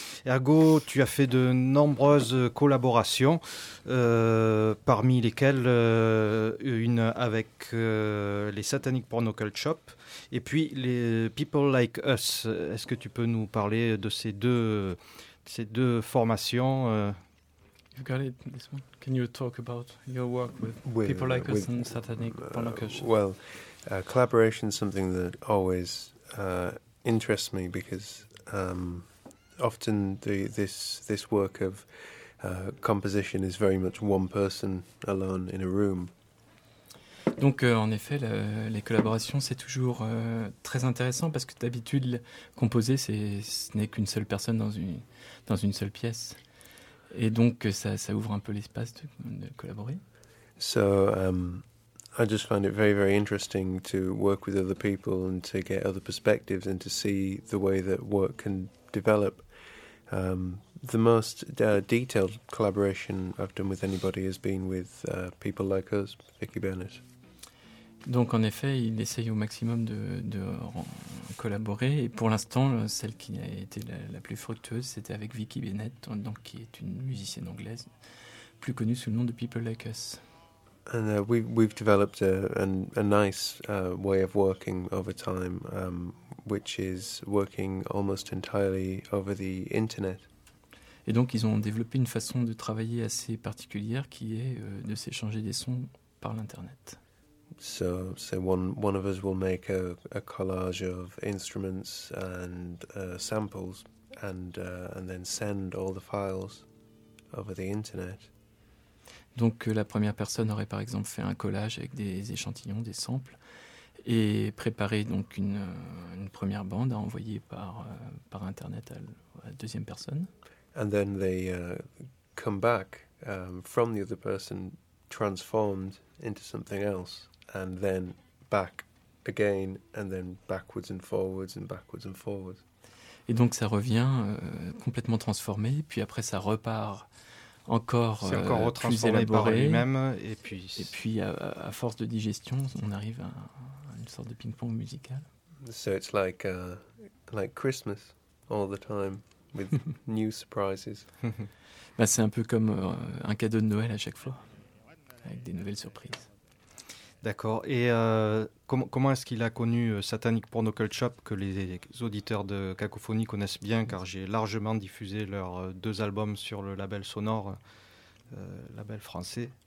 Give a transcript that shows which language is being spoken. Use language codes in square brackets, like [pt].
[fr] Ergo, tu as fait de nombreuses collaborations, parmi lesquelles une avec les Satanic Porno Cult Shop et puis les People Like Us. Est-ce que tu peux nous parler de ces deux formations. [en] You got it, this one. Can you talk about your work with People Like Us and Satanic Porno Cult Shop? Well, collaboration is something that always interests me because often this work of composition is very much one person alone in a room. [fr] Donc, en effet, les collaborations, c'est toujours très intéressant parce que d'habitude, composer, ce n'est qu'une seule personne dans une seule pièce. Et donc, ça ouvre un peu l'espace de collaborer. [en] So, I just find it very, very interesting to work with other people and to get other perspectives and to see the way that work can develop. The most detailed collaboration I've done with anybody has been with People Like Us, Vicky Bennett. [fr] Donc, en effet, il essaye au maximum de collaborer. Et pour l'instant, celle qui a été la plus fructueuse, c'était avec Vicky Bennett, donc, qui est une musicienne anglaise, plus connue sous le nom de People Like Us. [en] And we've developed a nice way of working over time, which is working almost entirely over the internet. [fr] Et donc, ils ont développé une façon de travailler assez particulière, qui est de s'échanger des sons par l'internet. [en] So one of us will make a collage of instruments and samples and then send all the files over the internet. [fr] Donc la première personne aurait par exemple fait un collage avec des échantillons, des samples, et préparé donc une première bande à envoyer par internet à la deuxième personne. [en] And then they come back from the other person transformed into something else. And then back again, and then backwards and forwards and backwards and forwards. [fr] Et donc ça revient complètement transformé, puis après ça repart encore, encore plus élaboré. Par lui-même, et puis. Et puis à force de digestion, on arrive à une sorte de ping-pong musical. [en] So it's like Christmas all the time with new surprises. [fr] Bah c'est un peu comme un cadeau de Noël à chaque fois, avec des nouvelles surprises. D'accord. Et comment est-ce qu'il a connu Satanic Porno Cult Shop, que les auditeurs de Cacophonie connaissent bien, car j'ai largement diffusé leurs deux albums sur le label sonore, label français.